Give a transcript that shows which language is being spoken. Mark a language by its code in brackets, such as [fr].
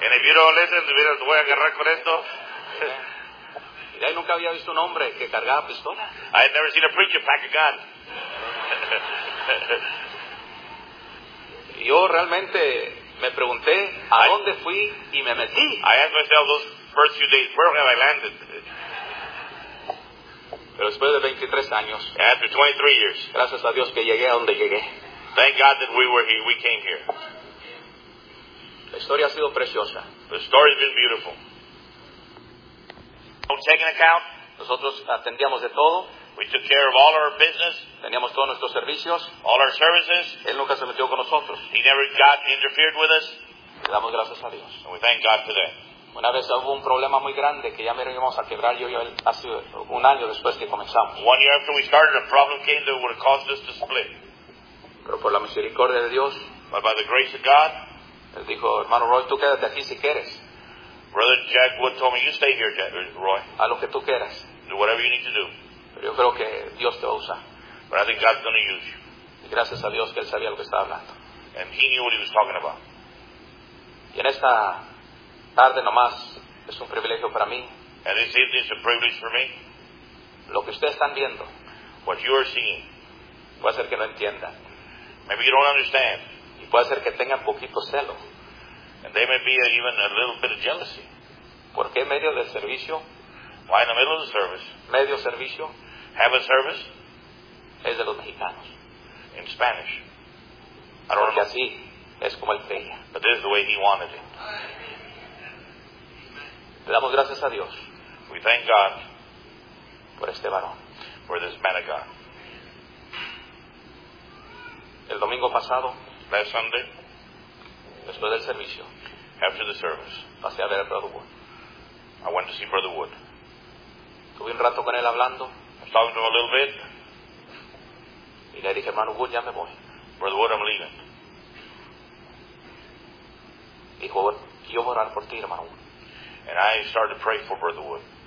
[en] And if you don't listen, [es] mira, te voy a agarrar con esto. Y de ahí nunca había visto un hombre que cargaba pistola. [en] I had never seen a preacher pack a gun. [es] Yo realmente me pregunté a dónde fui y me metí. [en] I asked myself those first few days, where have I landed? [es] Pero después de 23 años. [en] After 23 years. [es] Gracias a Dios que llegué a donde llegué. [en] Thank God that we were here. We came here. [es] La historia ha sido preciosa. [en] The story has been beautiful. No checking account. [es] Nosotros atendíamos de todo. [en] We took care of all our business. [es] Teníamos todos nuestros servicios. [en] All our services. [es] Él nunca se metió con nosotros. [en] He never got interfered with us. [es] Le damos gracias a Dios. [en] And we thank God today. [es] Una vez hubo un problema muy grande que ya me íbamos a quebrar yo y él hace un año después que comenzamos. [en] One year after we started, a problem came that would have caused us to split. [es] Pero por la misericordia de Dios, [en] but by the grace of God, [es] él dijo, hermano Roy, tú quédate aquí si quieres. [en] Brother Jack Wood told me, you stay here, Jack, Roy. [es] A lo que tú quieras. [en] Do whatever you need to do. [es] Pero yo creo que Dios te va a usar. [en] But I think God's going to use you. [es] Y gracias a Dios que él sabía lo que estaba hablando. [en] And he knew what he was talking about. [es] Y en esta tarde nomás, es un privilegio para mí. [en] And this evening is a privilege for me. [es] Lo que ustedes están viendo, [en] what you are seeing, [es] puede ser que no entienda. [en] Maybe you don't understand. [es] Y puede ser que tengan poquito celo. [en] And they may be even a little bit of jealousy. [es] ¿Por qué medio del servicio? [en] Why in the middle of the service? [es] Medio servicio. [en] Have a service. [es] Es de los mexicanos. [en] In Spanish. I don't know. [es] Así es como él creía. [en] But this is the way he wanted it. [es] Le damos gracias a Dios. [en] We thank God. [es] Por este varón. [en] For this man of God. [es] El domingo pasado, [en] last Sunday, [es] después del servicio, [en] after the service, [es] pasé a ver a Brother Wood. [en] I went to see Brother Wood. [es] Tuve un rato con él hablando. [en] I was talking to him a little bit. [es] Y le dije, hermano Wood, ya me voy. [en] Brother Wood, I'm leaving. [es] Dijo, yo voy a orar por ti, hermano Wood. [en] And I started to pray for Brother Wood.